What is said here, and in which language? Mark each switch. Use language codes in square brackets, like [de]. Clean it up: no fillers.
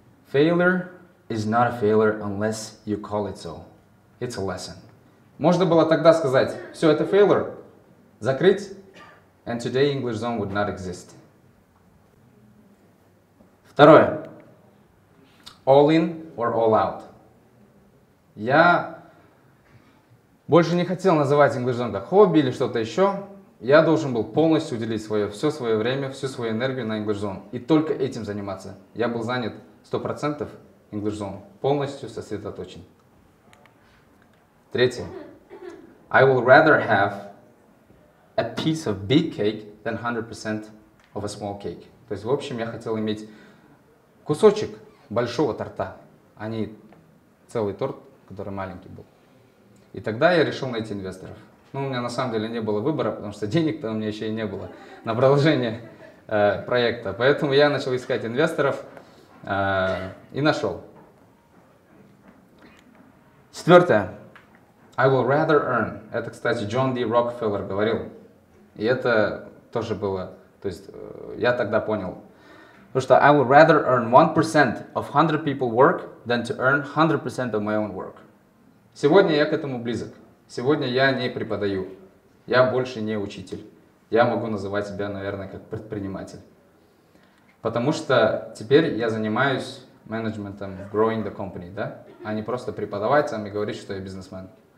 [en] Failure is not a failure unless you call it so. It's a lesson. [ru] Можно было тогда сказать, все, это failure. Закрыть. [en] And today English Zone would not exist. [ru] Второе. [en] All in or all out. [ru] Я больше не хотел называть English Zone как хобби или что-то еще. Я должен был полностью уделить свое, все свое время, всю свою энергию на English Zone. И только этим заниматься. Я был занят 100% English Zone. Полностью сосредоточен. Третье. [en] I will rather have a piece of big cake than 100% of a small cake. [ru] То есть, в общем, я хотел иметь кусочек большого торта, а не целый торт, который маленький был. И тогда я решил найти инвесторов. Ну, у меня на самом деле не было выбора, потому что денег-то у меня еще и не было на продолжение проекта. Поэтому я начал искать инвесторов и нашел. Четвертое. [en] I will rather earn. [ru] Это, кстати, Джон Ди Рокфеллер говорил. И это тоже было, то есть я тогда понял. Потому что [en] I would rather earn 1% of 100 people work than to earn 100% of my own work. [ru] Сегодня я к этому близок. Сегодня я не преподаю. Я больше не учитель. Я могу называть себя, наверное, как предприниматель. Потому что теперь я занимаюсь менеджментом, [en] growing the company, [ru] да? А не просто преподавать сам и говорить, что я бизнесмен.